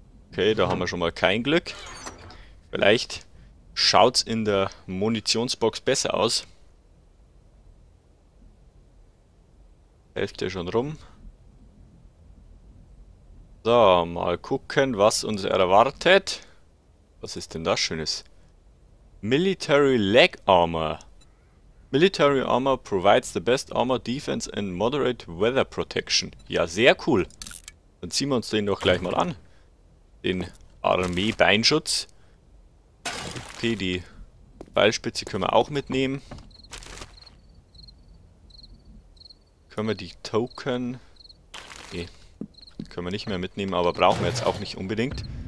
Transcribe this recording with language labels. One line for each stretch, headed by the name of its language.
German: Okay, da haben wir schon mal kein Glück. Vielleicht schaut's in der Munitionsbox besser aus. Hälfte schon rum. So, mal gucken, was uns erwartet. Was ist denn das Schönes?
English: Military Leg Armor. Military Armor provides the best armor defense and moderate weather protection.
German: Ja, sehr cool. Dann ziehen wir uns den doch gleich mal an. Den Armee-Beinschutz. Okay, die Pfeilspitze können wir auch mitnehmen. Können wir die Token... Nee, können wir nicht mehr mitnehmen, aber brauchen wir jetzt auch nicht unbedingt.